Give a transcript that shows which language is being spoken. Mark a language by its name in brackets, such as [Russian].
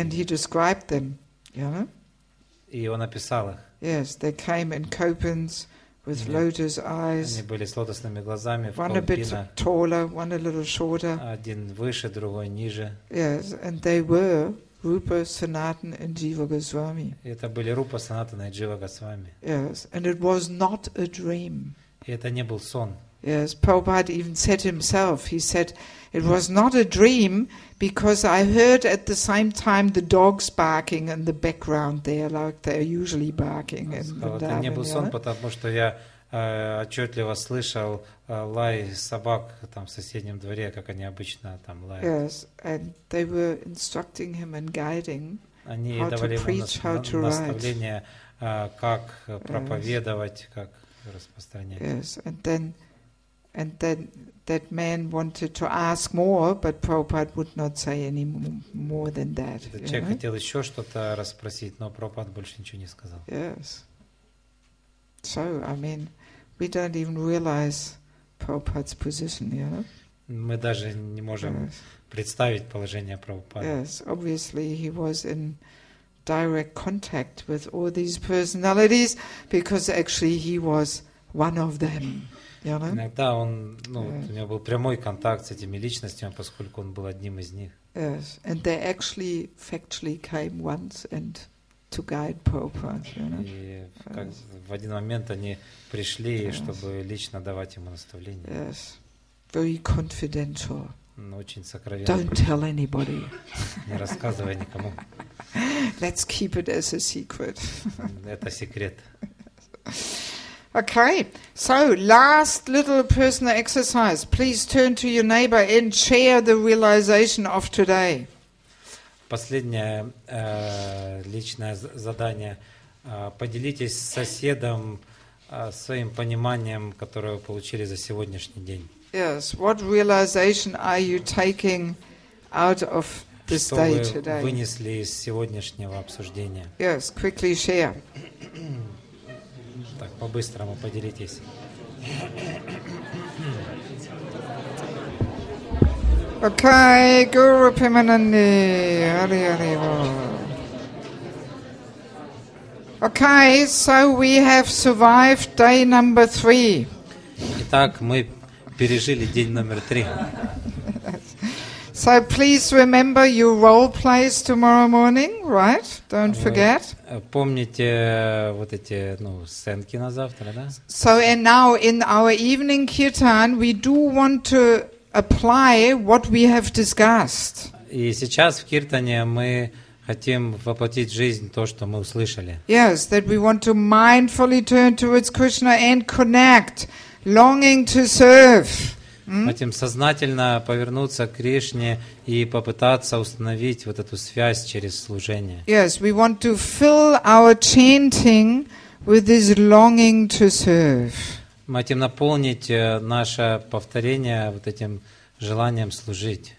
[English] And he described them. [Russian] И он описал их. [English] Yes, they came in copans with lotus eyes. [Russian] Они были с лотосными глазами. [English] One a bit taller, one a little shorter. [Russian] Один выше, другой ниже. [English] Yes, and they were Rupa, Sanatana, and Jiva Goswami. [Russian] Это были Рупа, Санатана и Джива Госвами. [English] Yes, and it was not a dream. [Russian] И это не был сон. [English] Yes, Prabhupada even said himself. He said, "It was not a dream because I heard at the same time the dogs barking in the background there, like they're usually barking." [Russian] Это не был сон, потому что я отчетливо слышал лай собак там в соседнем дворе, как они обычно там лают. [English] Yes, and they were instructing him and guiding [Russian] они [English] how [Russian] давали [English] to preach, how to write. [Russian] Как проповедовать, [English] yes. [Russian] Как распространять. [English] Yes, and then that man wanted to ask more, but Prabhupada would not say any more than that. [Russian] Этот человек хотел еще что-то расспросить, но Прабхупада больше ничего не сказал. [English] Yes. So, I mean, we don't even realize Prabhupada's position, you know? [Russian] Мы даже не можем представить положение Прабхупады. [English] Yes, obviously he was in direct contact with all these personalities because actually he was one of them. [Russian] Иногда он, у него был прямой контакт с этими личностями, поскольку он был одним из них. [English] Yes, and they actually factually came once and to guide Prabhupada, you know? [Russian] В один момент они пришли, чтобы лично давать ему наставление. [English] Yes, very confidential. [Russian] Очень сокровенно. [English] Don't tell anybody. [Russian] Не рассказывай никому. [English] Let's keep it as a secret. [Russian] Это секрет. [English] Okay, so last little personal exercise. Please turn to your neighbor and share the realization of today. [Russian] Последнее личное задание. Поделитесь с соседом своим пониманием, которое вы получили за сегодняшний день. [English] Yes, what realization are you taking out of this day today? [Russian] Что вы вынесли из сегодняшнего обсуждения? [English] Yes, quickly share. [Russian] Так, по-быстрому поделитесь. [English] Okay, Guru Pimanandi, Hari Hari Bol. Okay, so we have survived day number three. [Russian] Итак, мы пережили день номер три. [English] So please remember your role plays tomorrow morning, right? Don't forget. [Russian] Помните вот эти, сценки на завтра, да? [English] So and now in our evening kirtan, we do want to apply what we have discussed. [Russian] И сейчас в киртане мы хотим воплотить в жизнь то, что мы услышали. [English] Yes, that we want to mindfully turn towards Krishna and connect, longing to serve. [Russian] Хотим сознательно повернуться к Кришне и попытаться установить вот эту связь через служение. [English] Yes, we want to fill our chanting with this longing to serve. [Russian] Мы хотим наполнить наше повторение вот этим желанием служить.